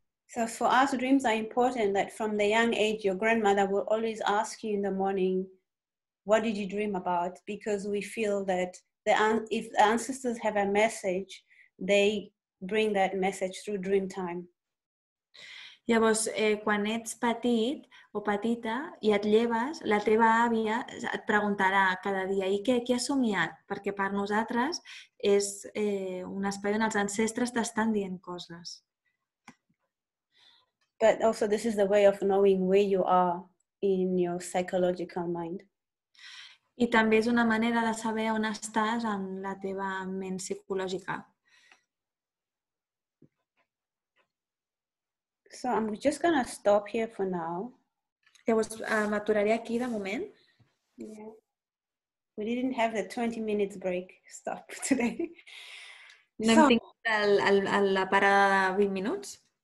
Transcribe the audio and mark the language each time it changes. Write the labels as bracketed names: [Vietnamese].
[English] So for us, dreams are important that from the young age, your grandmother will always ask you in the morning, what did you dream about? Because we feel that if ancestors have a message, they bring that message through dream time. [Catalan] Llavors, quan ets petit o petita i et lleves, la teva àvia et preguntarà cada dia, i què has somiat? Perquè per nosaltres és un espai on els ancestres t'estan dient coses. [English] But also this is the way of knowing where you are in your psychological mind. [Catalan] I també és una manera de saber on estàs en la teva ment psicològica. [English] So I'm just going to stop here for now. [Catalan] Llavors, m'aturaré aquí de moment. [English] Yeah. We didn't have the 20 minutes break stop today. [Catalan] No hem tingut la parada de 20 minuts.